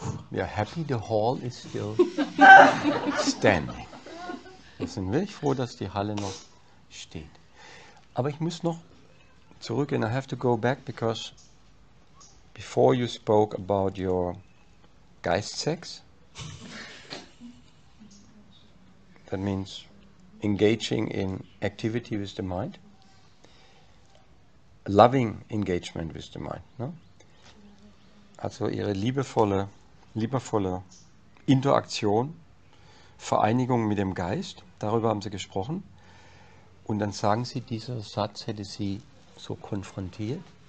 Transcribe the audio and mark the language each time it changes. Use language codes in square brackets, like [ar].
[en] We are happy the hall is still standing. [de] Wir sind wirklich froh, dass die Halle noch steht. Aber ich muss noch [en] zurück, and I have to go back because before you spoke about your Geistsex, that means engaging in activity with the mind, loving engagement with the mind, no? [de] Also ihre liebevolle Interaktion, Vereinigung mit dem Geist, darüber haben sie gesprochen. Und dann sagen sie, dieser Satz hätte sie so konfrontiert.